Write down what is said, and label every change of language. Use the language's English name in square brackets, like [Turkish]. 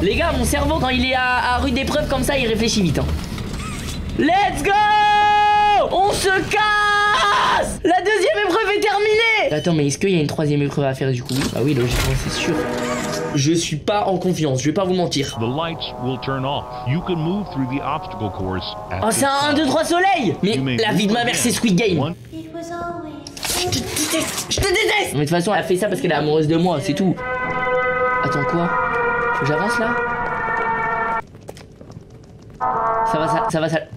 [French] Les gars, mon cerveau, quand il est à rude épreuve comme ça, il réfléchit vite, hein. [English] Let's go! [French] On se casse! La deuxième épreuve est terminée! Attends, mais est-ce qu'il y a une troisième épreuve à faire du coup? Bah oui, logiquement, c'est sûr. Je suis pas en confiance, je vais pas vous mentir. [English] The lights will turn off. You can move through the obstacle course. [French] Oh, c'est un 1, 2, 3 soleil! Mais la vie de ma mère, c'est Squid Game! Je te déteste! Mais de toute façon, elle a fait ça parce qu'elle est amoureuse de moi, c'est tout. Attends, quoi? Faut que j'avance là? Ça va.